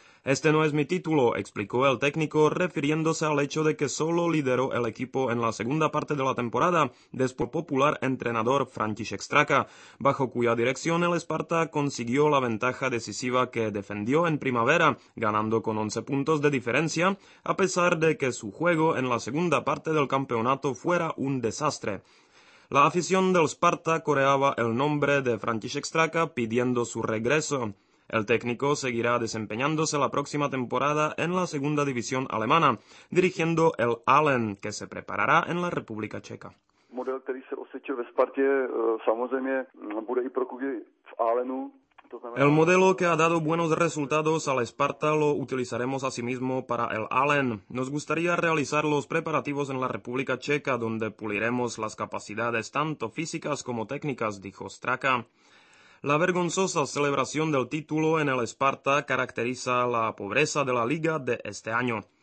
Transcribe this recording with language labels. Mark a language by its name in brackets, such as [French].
[Spanish] Este no es mi título, explicó el técnico refiriéndose al hecho de que solo lideró el equipo en la segunda parte de la temporada después popular entrenador František Straka, bajo cuya dirección el Sparta consiguió la ventaja decisiva que defendió en primavera, ganando con 11 puntos de diferencia, a pesar de que su juego en la segunda parte del campeonato fuera un desastre. La afición del Sparta coreaba el nombre de František Straka pidiendo su regreso. El técnico seguirá desempeñándose la próxima temporada en la segunda división alemana, dirigiendo el Allen, que se preparará en la República Checa. [Czech] Model, který se osvědčil ve Spartě, samozřejmě bude i pro kluby v Allenu. [Spanish] El modelo que ha dado buenos resultados al Sparta lo utilizaremos asimismo para el Allen. Nos gustaría realizar los preparativos en la República Checa, donde puliremos las capacidades tanto físicas como técnicas, dijo Straka. La vergonzosa celebración del título en el Sparta caracteriza la pobreza de la liga de este año.